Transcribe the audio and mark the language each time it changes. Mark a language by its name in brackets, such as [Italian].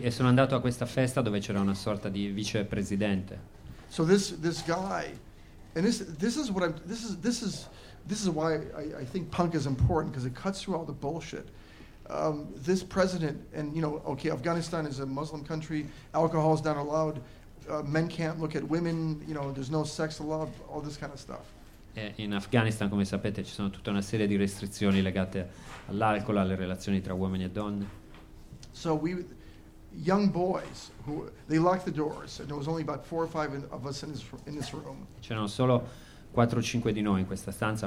[Italian] E sono andato a questa festa dove c'era una sorta di vicepresidente. [English] So this guy, and this is why I think punk is important, because it cuts through all the bullshit. This president, and you know, okay, Afghanistan is a Muslim country, alcohol is not allowed, men can't look at women, you know, there's no sex allowed, all this kind of stuff. [Italian] In Afghanistan, come sapete, ci sono tutta una serie di restrizioni legate all'alcol, alle relazioni tra uomini e donne. [English] So we, young boys, who they locked the doors, and there was only about 4 or 5 of us in this room. [Italian] C'erano solo 4 o 5 di noi in questa stanza.